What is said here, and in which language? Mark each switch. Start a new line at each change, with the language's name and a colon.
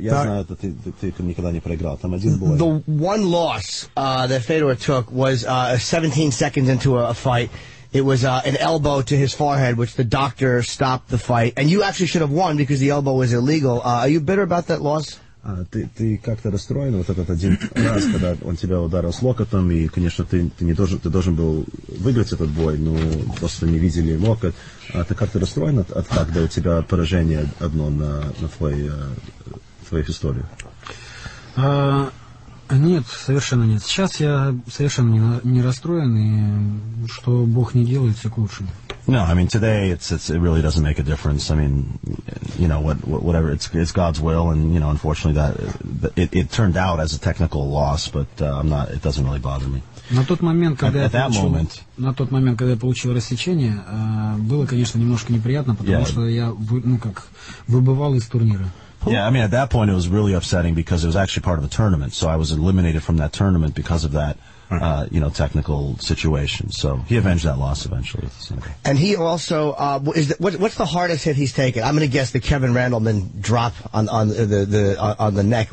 English: The one loss that Fedor took was 17 seconds into a fight. It was an elbow to his forehead, which the doctor stopped the fight. And you actually should have won because the elbow was illegal. Are you bitter about that loss?
Russian: Ты как-то расстроен вот этот один раз, когда он тебя ударил с локотом, и, конечно, ты должен был выиграть этот бой, но просто не видели локоть. А ты как-то расстроен от когда у тебя поражение одно на твоей истории? Нет, совершенно нет. Сейчас я совершенно не расстроен, и что Бог не делает, все к лучшему.
English: No, I mean, today it really doesn't make a difference. I mean, you know, whatever, it's God's will, and, you know, unfortunately it turned out as a technical loss, but it doesn't really bother me.
Russian: На тот момент, когда я получил рассечение, было, конечно, немножко неприятно, потому что я, ну как, выбывал из турнира.
English: Yeah, I mean, at that point it was really upsetting because it was actually part of a tournament, so I was eliminated from that tournament because of that, you know, technical situation. So he avenged that loss eventually. And he also, what's the hardest hit he's taken? I'm going to guess the Kevin Randleman drop on the neck.